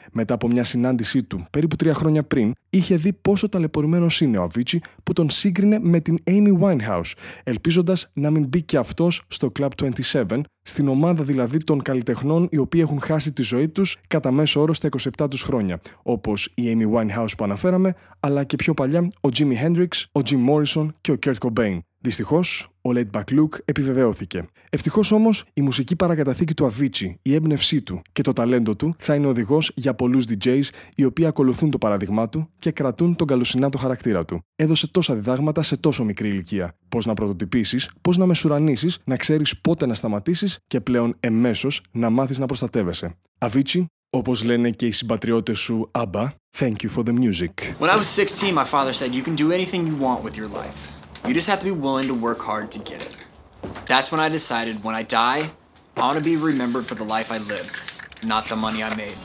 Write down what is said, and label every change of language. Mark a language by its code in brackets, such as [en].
[el] Μετά από μια συνάντησή του, περίπου 3 χρόνια πριν, είχε δει πόσο ταλαιπωρημένος είναι ο Avicii, που τον σύγκρινε με την Amy Winehouse, ελπίζοντας να μην μπει και αυτός στο Club 27, στην ομάδα δηλαδή των καλλιτεχνών οι οποίοι έχουν χάσει τη ζωή τους κατά μέσο όρο στα 27 τους χρόνια, όπως η Amy Winehouse που αναφέραμε, αλλά και πιο παλιά ο Jimi Hendrix, ο Jim Morrison και ο Kurt Cobain. Δυστυχώς, ο Laid Back Luke επιβεβαιώθηκε. Ευτυχώς όμως, η μουσική παρακαταθήκη του Avicii, η έμπνευσή του και το ταλέντο του θα είναι οδηγός για πολλούς DJs οι οποίοι ακολουθούν το παράδειγμά του και κρατούν τον καλοσυνάτο χαρακτήρα του. Έδωσε τόσα διδάγματα σε τόσο μικρή ηλικία. Πώς να πρωτοτυπήσεις, πώς να μεσουρανίσεις, να ξέρεις πότε να σταματήσεις και πλέον εμέσως να μάθεις να προστατεύεσαι. Avicii, όπως λένε και οι συμπατριώτες σου ABBA, [en] thank you for the music. When I was 16, my father said you can do anything you want with your life. You just have to be willing to work hard to get it. That's when I decided, when I die, I want to be remembered for the life I lived, not the money I made.